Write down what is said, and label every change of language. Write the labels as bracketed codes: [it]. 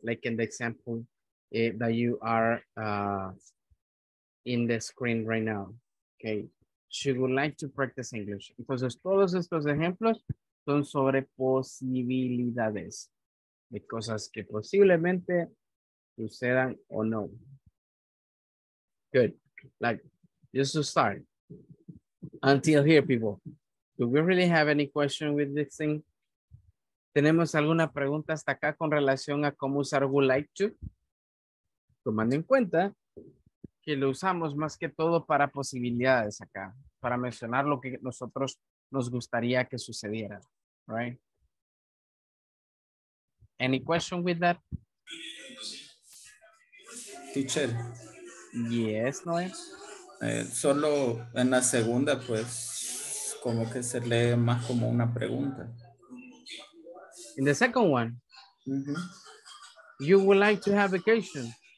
[en] Like in the example that you are in the screen right now. Okay. She would like to practice English. [es] Entonces, todos estos ejemplos son sobre posibilidades de cosas que posiblemente sucedan o no. [en] Good, like, just to start, until here, people. Do we really have any question with this thing? [es] ¿Tenemos alguna pregunta hasta acá con relación a cómo usar would like to? Tomando en cuenta que lo usamos más que todo para posibilidades acá, para mencionar lo que nosotros nos gustaría que sucediera, right? [en] Any question with that? Teacher. [es] Yes, no es. Solo en la segunda, pues, como que se lee más como una pregunta. [en] In the second one, you would like to have vacation.